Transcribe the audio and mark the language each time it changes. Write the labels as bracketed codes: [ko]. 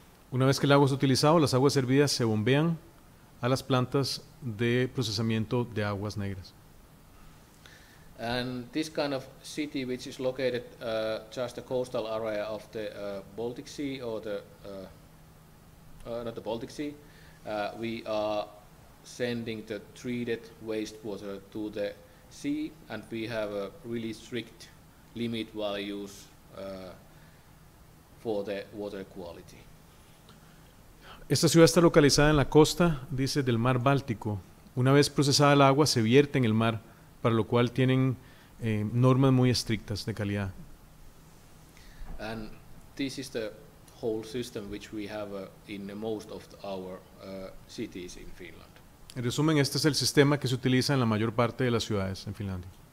[es] Una vez que el agua es utilizado, las aguas servidas se bombean a las plantas de procesamiento de aguas negras. [en] And this kind of city, which is located just the coastal area of the Baltic Sea, or the not the Baltic Sea, we are sending the treated wastewater to the sea, and we have a really strict limit values for the water quality. [es] Esta ciudad está localizada en la costa, dice, del mar Báltico. Una vez procesada el agua, se vierte en el mar, para lo cual tienen normas muy estrictas de calidad. [en] And this is the whole system which we have in most of our cities in Finland. [es] En resumen, este es el sistema que se utiliza en la mayor parte de las ciudades en Finlandia.